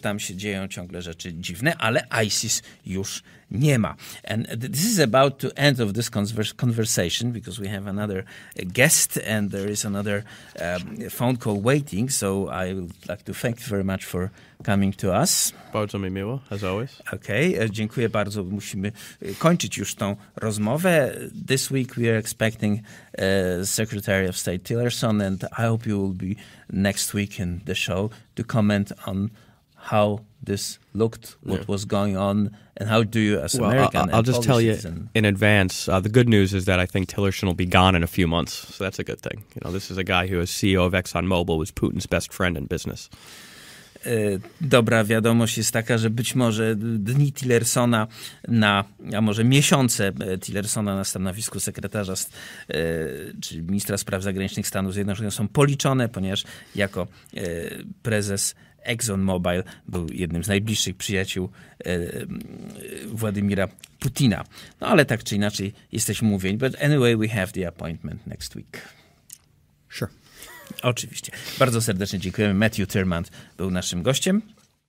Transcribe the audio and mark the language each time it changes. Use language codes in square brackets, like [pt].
[pl] Tam się dzieją ciągle rzeczy dziwne, ale ISIS już nie ma. [en] And this is about to end of this conversation because we have another guest and there is another phone call waiting. So I would like to thank you very much for coming to us. [pl] Bardzo mi miło, [en] as always. [pl] Okay, dziękuję bardzo. Musimy kończyć już tą rozmowę. [en] This week we are expecting Secretary of State Tillerson, and I hope you will be next week in the show to comment on how this looked, what was going on, and how do you as an American? I'll just tell you in advance, the good news is that I think Tillerson will be gone in a few months, so that's a good thing. You know, this is a guy who, as CEO of ExxonMobil, was Putin's best friend in business. [pl] dobra wiadomość jest taka, że być może dni Tillersona na, a może miesiące Tillersona na stanowisku sekretarza, czy ministra spraw zagranicznych Stanów Zjednoczonych są policzone, ponieważ jako prezes ExxonMobil był jednym z najbliższych przyjaciół Władimira Putina. No ale tak czy inaczej jesteśmy mówieni. [en] But anyway, we have the appointment next week. Sure. [pl] Oczywiście. Bardzo serdecznie dziękujemy. Matthew Tyrmand był naszym gościem.